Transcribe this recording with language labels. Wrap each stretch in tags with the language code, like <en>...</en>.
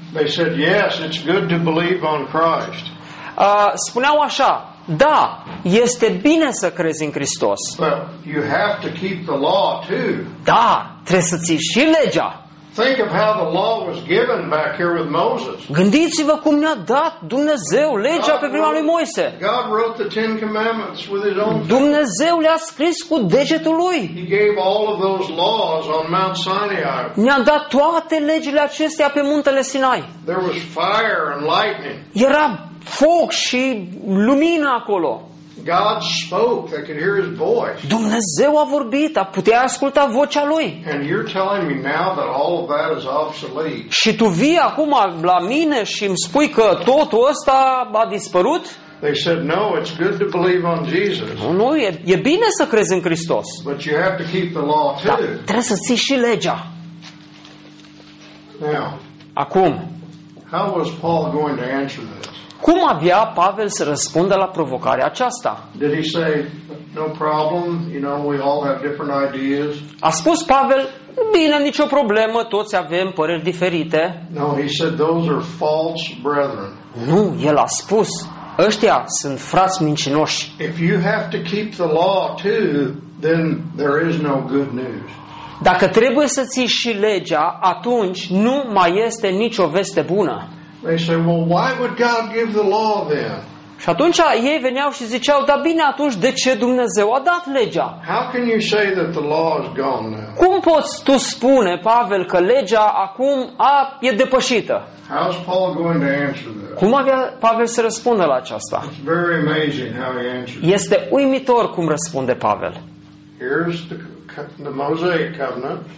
<en>They said, "Yes, it's good to believe on Christ."</en> <ro>Spuneau așa: "Da, este bine să crezi în Hristos."</ro> <en>Well, you have to keep the law too.</en> <ro>Da, trebuie să ții și legea.</ro> <en>Think of how the law was given back here with Moses.</en> <ro>Gândiți-vă cum ne-a dat Dumnezeu legea pe vremea lui Moise.</ro> <en>God wrote the Ten Commandments with his own.</en> <ro>Dumnezeu le-a scris cu degetul lui.</ro> <en>He gave all of those laws on Mount Sinai.</en> <ro>Ne-a dat toate legile acestea pe muntele Sinai.</ro> <en>There was fire and lightning.</en> <ro>Era foc și lumină acolo.</ro> <en>God spoke, they could hear his voice.</en> <ro>Dumnezeu a vorbit, a putea asculta vocea lui.</ro> <en>And you're telling me now that all of that is obsolete.</en> <ro>Și tu vii acum la mine și îmi spui că totul ăsta a dispărut?</ro> <en>They said no, it's good to believe on Jesus.</en> <ro>Nu, e bine să crezi în Hristos.</ro> <en>But you have to keep the law too.</en> <ro>Dar trebuie să ții și legea.</ro> <en>Now.</en> <ro>Acum.</ro> <en>How was Paul going to answer this?</en> <ro>Cum abia Pavel să răspundă la provocarea aceasta?</ro> <en>Did he say, no problem, you know, we all have different ideas?</en> <ro>A spus Pavel, bine, nicio problemă, toți avem păreri diferite.</ro> <en>No, he said, those are false brethren.</en> <ro>Nu, el a spus, ăștia sunt frați mincinoși.</ro> <en>If you have to keep the law too, then there is no good news.</en> <ro>Dacă trebuie să ții și legea, atunci nu mai este nicio veste bună.</ro> <en>They say, well, why would God give the law then?</en> <ro>Și atunci ei veneau și ziceau, dar bine, atunci de ce Dumnezeu a dat legea?</ro> <en>How can you say that the law is gone now?</en> <ro>Cum poți tu spune, Pavel, că legea acum e depășită?</ro> <en>How is Paul going to answer this?</en> <ro>Cum avea Pavel să răspundă la aceasta?</ro> <en>It's very amazing how he answers.</en> <ro>Este uimitor cum răspunde Pavel.</ro> <en>Here's the Mosaic covenant.</en>